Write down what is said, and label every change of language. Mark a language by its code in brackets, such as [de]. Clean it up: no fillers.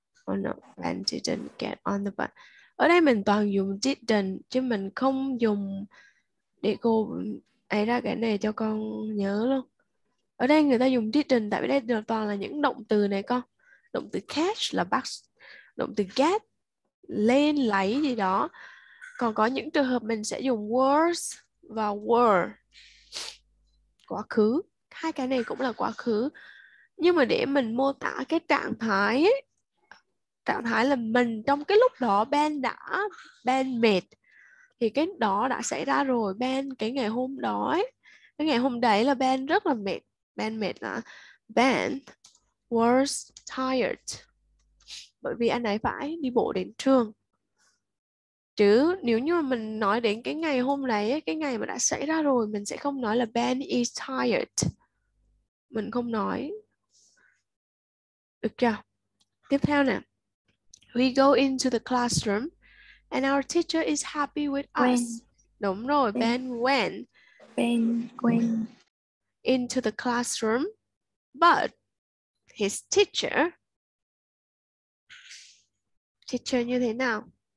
[en] Oh no, Ben didn't get on the bus. [vi] Ở đây mình toàn dùng didn't chứ mình không dùng để cô ấy ra cái này cho con nhớ luôn. Ở đây người ta dùng didn't tại vì đây là toàn là những động từ này con. Động từ catch là bắt, động từ get lên lấy gì đó. Còn có những trường hợp mình sẽ dùng was và were. Quá khứ, hai cái này cũng là quá khứ. Nhưng mà để mình mô tả cái trạng thái ấy, trạng thái là mình trong cái lúc đó Ben mệt thì cái đó đã xảy ra rồi. Ben cái ngày hôm đó ấy, cái ngày hôm đấy là Ben rất là mệt. Ben mệt là Ben [en] was tired [vi] bởi vì anh ấy phải đi bộ đến trường. Chứ nếu như mà mình nói đến cái ngày hôm đấy ấy, cái ngày mà đã xảy ra rồi, mình sẽ không nói là [en] Ben is tired, [vi] mình không nói được chưa. Tiếp theo nè. [en] We go into the classroom and our teacher is happy with When us. [vi] Đúng rồi, [en] Ben went Ben when into the classroom, but his teacher [vi] như thế nào?